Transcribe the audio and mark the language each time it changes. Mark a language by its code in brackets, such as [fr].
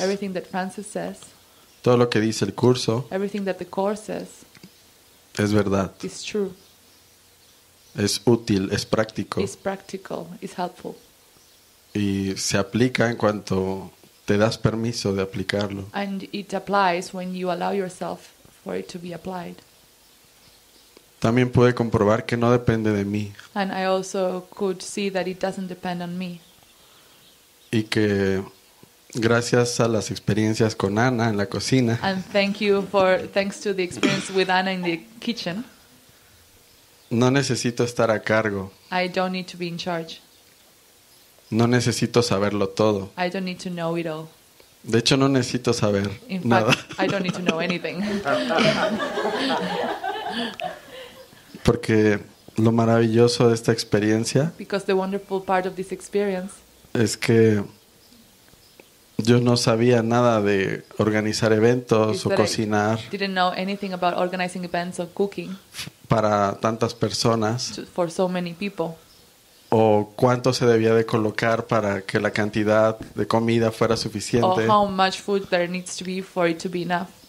[en] Everything that Francis says. [es] Todo lo que dice el curso. [en] Everything that the course says. [es] Es verdad. [en] It's true. [es] Es útil, es práctico. [en] It's practical, it's helpful. [es] Y se aplica en cuanto te das permiso de aplicarlo. [en] And it applies when you allow yourself for it to be applied. [es] También pude comprobar que no depende de mí. [en] And I also could see that it doesn't depend on me. [es] Y que gracias a las experiencias con Ana en la cocina. [en] And thanks to the experience with Ana in the kitchen. [es] No necesito estar a cargo. [en] I don't need to be in charge. [es] No necesito saberlo todo. [en] I don't need to know it all. [es] De hecho, no necesito saber [en] in [es] nada. [en] Fact, I don't need to know anything. [es] Porque lo maravilloso de esta experiencia. [en] Because the wonderful part of this experience. [es] Es que yo no sabía nada de organizar eventos o cocinar. [en] I didn't know anything about organizing events or cooking. [es] Para tantas personas. [en] For so many people. [es] O cuánto se debía de colocar para que la cantidad de comida fuera suficiente. [en] Or how much food there needs to be for it to be enough.